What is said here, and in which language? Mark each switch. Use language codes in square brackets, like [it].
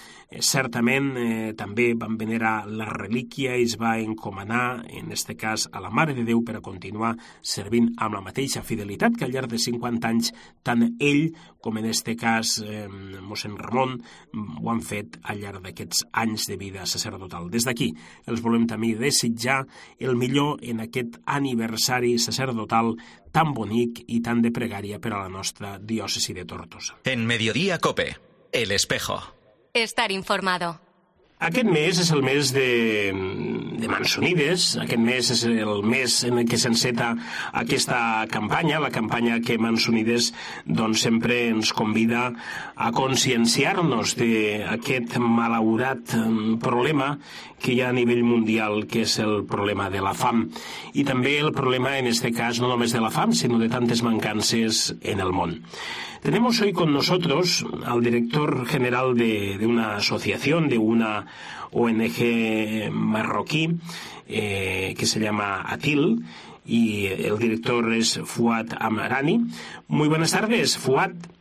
[ca] Certament també van venerar la relíquia i es va encomanar, en aquest cas, a la Mare de Déu per a continuar servint amb la mateixa fidelitat que al llarg de 50 anys tant ell com, en aquest cas, mossèn Ramon ho han fet al llarg d'aquests anys de vida sacerdotal. Des d'aquí els volem també desitjar el millor en aquest aniversari sacerdotal tan bonic i tan de pregària per a la nostra diòcesi de Tortosa. [es] En Mediodía Cope, El Espejo. Estar informado. [ca] Aquest mes és el mes de Mans Unides, aquest mes és el mes en què s'enceta aquesta campanya, la campanya que Mans Unides doncs, sempre ens convida a conscienciar-nos d'aquest malaurat problema que hi ha a nivell mundial, que és el problema de la fam. I també el problema, en aquest cas, no només de la fam, sinó de tantes mancances en el món. [es] Tenemos hoy con nosotros al director general de una asociación, de una ONG marroquí que se llama Atil y el director es Fuad Amrani. Muy buenas tardes, Fuad.